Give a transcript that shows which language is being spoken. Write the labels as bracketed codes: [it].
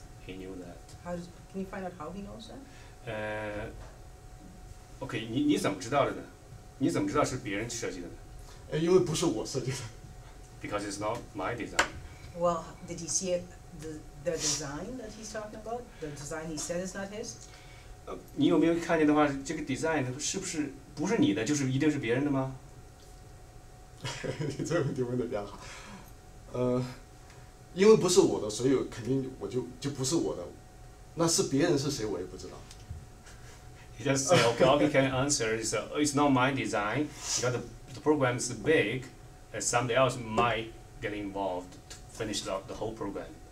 [en] He knew that. Can you find out how he knows that? [zh] OK， 你怎么知道的呢？你怎么知道是别人设计的呢？因为不是我设计的。 [en] Because it's not my design. Well, did he see the design that he's talking about? The design he said is not his. [zh] 你有没有看见的话，这个 design 是不是不是你的，就是一定是别人的吗？你这个问题问的比较好。因为不是我的，所以肯定我就不是我的。那是别人是谁，我也不知道。 [en] He just said, okay, all he can answer is, it's not my design, because the program is big, and somebody else might get involved to finish the whole program.